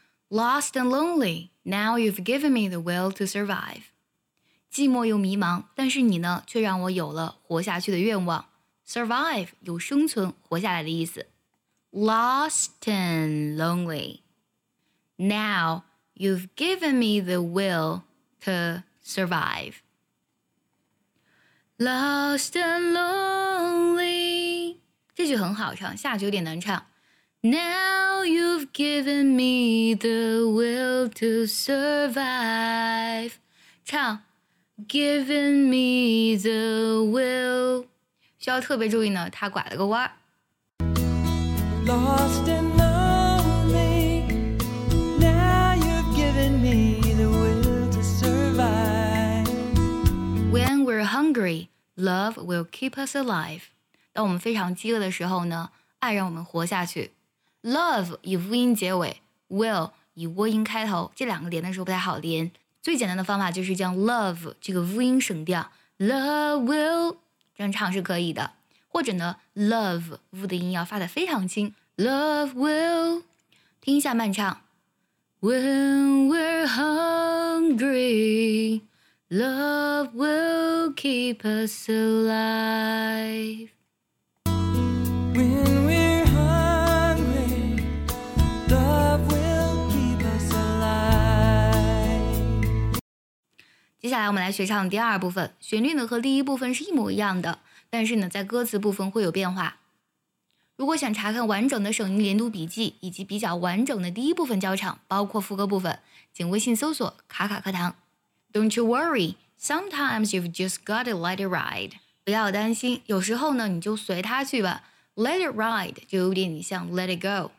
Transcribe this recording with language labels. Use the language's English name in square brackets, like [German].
[English] Lost and lonely, now you've given me the will to survive. [Chinese] 寂寞又迷茫，但是你呢，却让我有了活下去的愿望。 Survive 有生存、活下来的意思。 [English] Lost and lonely, now you've given me the will to survive. Lost and lonely. [Chinese] 这句很好唱，下句有点难唱。 [English] Now you've given me the will to survive. [Chinese] 唱 [English] Given me the will. [Chinese] 需要特别注意呢，它拐了个弯。 [English] Lost and lonely. Now you've given me the will to survive. When we're hungry, love will keep us alive. [Chinese] 当我们非常饥饿的时候呢，爱让我们活下去。 Love 以 v 音结尾 ，will 以 w 音开头，这两个连的时候不太好连。最简单的方法就是将 love 这个 v 音省掉 [English] ，love will [Chinese] 这样唱是可以的。或者呢 ，love v 的音要发得非常轻 [English] ，love will [Chinese] 听一下慢唱。 [English] When we're hungry, Love will keep us alive. When we're hungry, love will keep us alive. [Chinese] 接下来我们来学唱第二部分，旋律呢和第一部分是一模一样的，但是呢在歌词部分会有变化。如果想查看完整的省音连读笔记以及比较完整的第一部分教程，包括副歌部分，请微信搜索卡卡课堂。 [English] Don't you worry, sometimes you've just got to let it ride. [Chinese] 不要担心，有时候呢你就随它去吧。 [English] Let it ride [Chinese] 就有点像 [English] let it go,